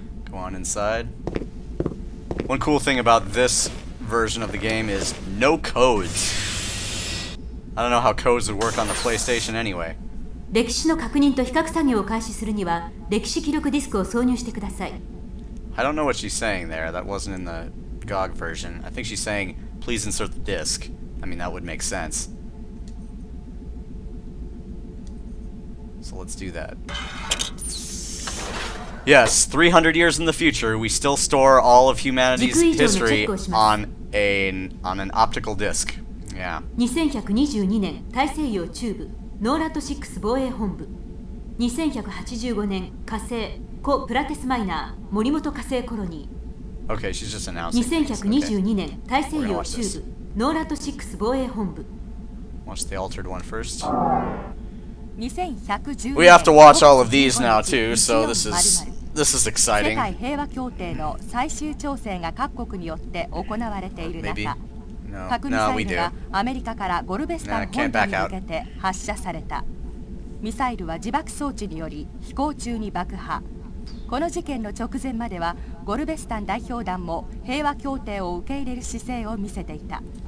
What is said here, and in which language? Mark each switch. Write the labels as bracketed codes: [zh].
[en] Go on inside. One cool thing about this version of the game is no codes. I don't know how codes would work on the PlayStation anyway. [ja] 歴史の確認と比較作業を開始するには歴史記録ディスクを挿入してください。 [en] I don't know what she's saying there. That wasn't in the GOG version. I think she's saying... Please insert the disc. I mean, that would make sense. So let's do that. Yes, 300 years in the future, we still store all of humanity's history on an optical disc. Yeah. [ja] 2122年、大西洋中部、ノーラット6防衛本部。 2185年、火星、コ・プラテスマイナー、森本火星コロニー。 [en] Okay, she's just announcing this. Okay. We're gonna watch this. NORAD-6 防衛本部.Watch the altered one first. We have to watch all of these now too, so this is exciting. [ja] 世界平和協定の最終調整が各国によって行われている中、 [en] Maybe? No, we do. [ja] 核ミサイルがアメリカからゴルベスタン本部に向けて発射された。ミサイルは自爆装置により飛行中に爆破。この事件の直前までは、ゴルベスタン代表団も平和協定を受け入れる姿勢を見せていた。